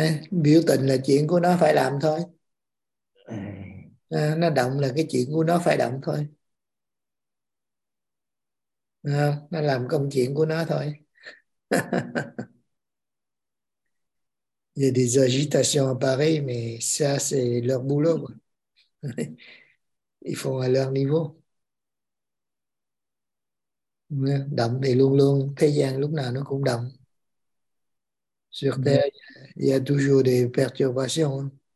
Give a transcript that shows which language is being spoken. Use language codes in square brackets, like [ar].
[vi] Biểu tình là chuyện của nó phải làm thôi. Nó động là cái chuyện của nó phải động thôi. Nó làm công chuyện của nó thôi. [fr] Il y a des agitations à Paris, mais ça, c'est leur boulot. Ils font à leur niveau. [vi] Động thì luôn luôn, thế gian lúc nào nó cũng động. [fr] Sur Terre, il y a toujours des perturbations.